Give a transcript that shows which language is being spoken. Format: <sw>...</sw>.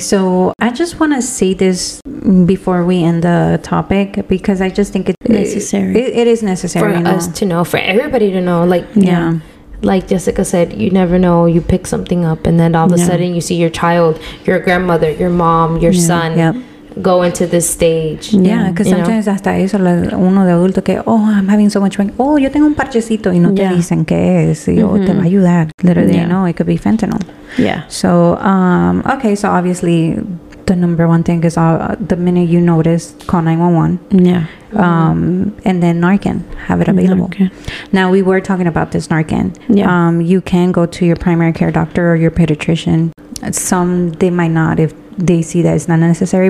<en>So I just want to say this before we end the topic, because I just think it's necessary. It is necessary for us to know, for everybody to know. Like, like Jessica said, you never know. You pick something up, and then all of a sudden, you see your child, your grandmother, your mom, your son go into this stage. Yeah, because sometimes</en> <es>hasta eso, uno de adulto que,</es> <en>oh, I'm having so much pain.</en> <es>Oh, yo tengo un parchecito, y no te dicen qué es. Y, oh, te va a ayudar.</es> <en>Literally, you know, it could be fentanyl. Yeah. So, okay, so obviously, the number one thing is the minute you notice, call 911. Yeah. Mm-hmm. And then Narcan, have it available. Now, we were talking about this Narcan. Yeah. You can go to your primary care doctor or your pediatrician. Some, they might not if they see that it's not necessary.</en>